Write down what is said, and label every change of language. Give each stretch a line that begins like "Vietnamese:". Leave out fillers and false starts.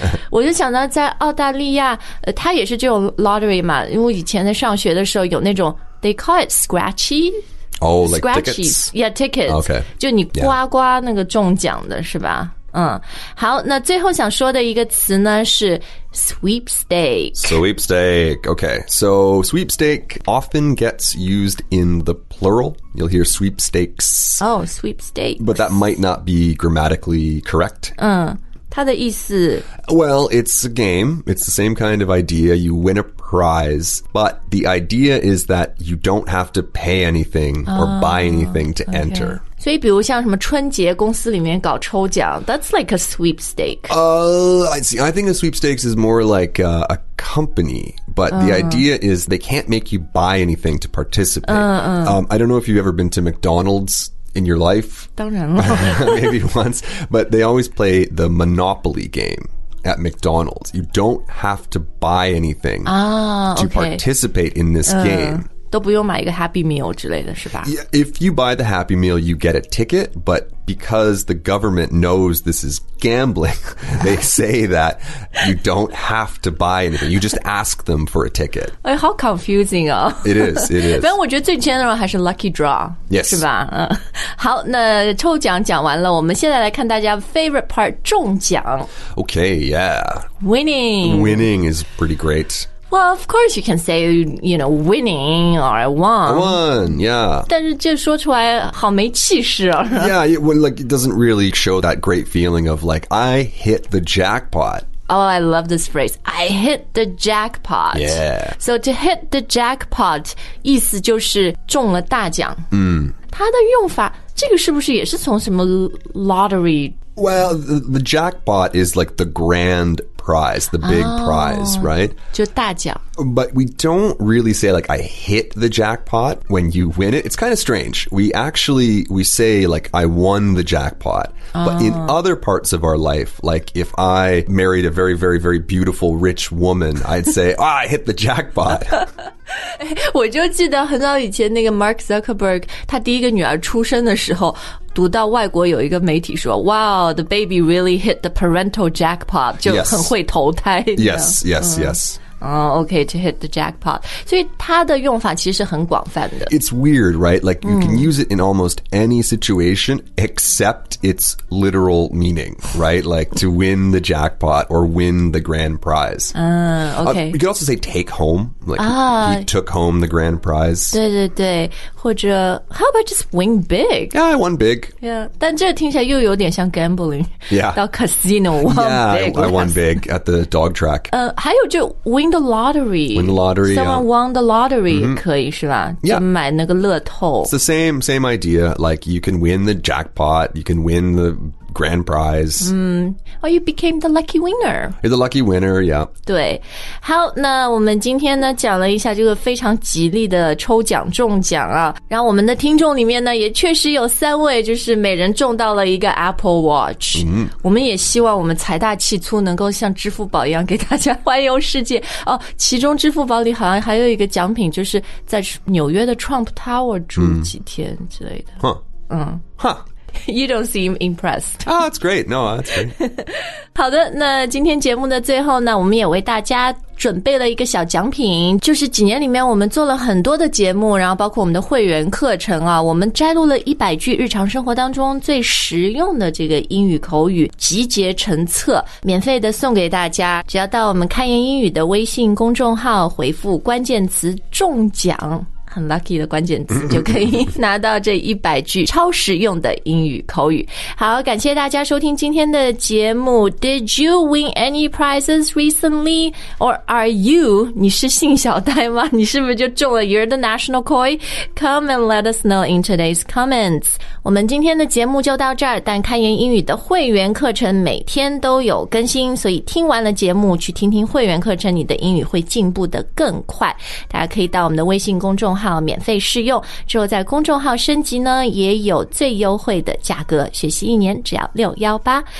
Chinese: 我就想到在澳大利亚，它也是这种 lottery 嘛。因为以前在上学的时候，有那种
English: they call it scratchy。 Oh, like scratchy. Tickets? Yeah, tickets. Okay.
Chinese: 就你刮刮那个中奖的是吧？Yeah. 嗯，好，那最后想说的一个词呢是 sweepstake.
English: Sweepstake. Okay. So sweepstake often gets used in the plural. You'll hear sweepstakes. Oh, sweepstake. But that might not be grammatically correct.
Chinese: 它的意思
English: Well, it's a game. It's the same kind of idea. You win a prize. But the idea is that you don't have to pay anything or buy anything to enter.
Chinese: 所以比如像什么春节公司里面搞抽奖
English: That's like a sweepstake. I think a sweepstakes is more like a company. But the idea is they can't make you buy anything to participate. I don't know if you've ever been to McDonald's. In your life?
Chinese: 当然了
English: Maybe once. But they always play the Monopoly game at McDonald's. You don't have to buy anything to participate in this game.
Chinese: 都不用买一个 Happy Meal 之类的是吧
English: yeah, If you buy the Happy Meal, you get a ticket. But because the government knows this is gambling, they say that you don't have to buy anything. You just ask them for a ticket.
Chinese: 哎，好 confusing 哦。
English: It is, it is.
Chinese: 反正我觉得最 general 还是 lucky draw.
English: Yes.
Chinese: 是吧？好，那抽奖讲完了，我们现在来看大家 favorite part, 中奖。
English: Okay, yeah. Winning. Winning is pretty great. Well, of course you can say, you know, winning or I won. I won, yeah.
Chinese: 但是这说出来好没气势啊。
English: Yeah, it, when, like, it doesn't really show that great feeling of like, I hit the jackpot. Oh, I love this phrase. I hit the jackpot. Yeah. So to hit the jackpot,
Chinese: 意思就是中了大奖。它的用法，这个是不是也是从什么 lottery?
English: Well, the jackpot is like the grand... prize, the big prize, right?
Chinese: 就大奖。
English: But we don't really say like, I hit the jackpot when you win it. It's kind of strange. We say like, I won the jackpot. But in other parts of our life, like if I married a very, very, very beautiful rich woman, I'd say, I hit the jackpot.
Chinese: 我就记得很早以前那个 Mark Zuckerberg, 他第一个女儿出生的时候读到外国有一个媒体说
English: Wow, the baby really hit the parental jackpot
Chinese: 就很会投胎
English: Yes, yes, yes, yes. Okay, to hit the jackpot
Chinese: 所以它的用法其实是很广泛的
English: It's weird, right? Like you can use it in almost any situation Except its literal meaning, right? Like to win the jackpot or win the grand prize Okay. You can also say take home Like he took home the grand prize
Chinese: 对对对或者
English: how about just win big? Yeah, I won big.
Chinese: Yeah, 但这听起来又有点像 gambling.
English: Yeah. 到 casino, won big. Yeah, I won big at the dog track.
Chinese: 还有就 win the lottery.
English: Win the lottery, Someone won the lottery,
Chinese: 可以是吧?
English: Yeah.
Chinese: 就买那个乐透。
English: It's the same idea, like you can win the jackpot, you can win the... grand prize. Oh, you became the lucky winner. You're the lucky winner, yeah.
Chinese: 对。好，那我们今天呢讲了一下这个非常吉利的抽奖中奖啊。然后我们的听众里面呢也确实有三位就是每人中到了一个 Apple Watch。我们也希望我们财大气粗能够像支付宝一样给大家环游世界。哦，其中支付宝里好像还有一个奖品就是在纽约的 Trump Tower 住几天之类的。
English: You don't seem impressed. Oh, that's great. No, that's great.
Chinese: 好的，那今天节目的最后呢，我们也为大家准备了一个小奖品，就是几年里面我们做了很多的节目，然后包括我们的会员课程啊，我们摘录了100句日常生活当中最实用的这个英语口语集结成册，免费的送给大家。只要到我们开言英语的微信公众号回复关键词"中奖"。很 lucky 的关键词就可以拿到这100句超实用的英语口语。好，感谢大家收听今天的节目。
English: Did you win any prizes recently? Or are you,
Chinese: 你是幸小呆吗？你是不是就中了
English: You're the National Koi? Come and let us know in today's comments.
Chinese: 我们今天的节目就到这儿，但开言英语的会员课程每天都有更新，所以听完了节目去听听会员课程，你的英语会进步得更快。大家可以到我们的微信公众号免费试用，之后在公众号升级呢也有最优惠的价格，学习一年只要618。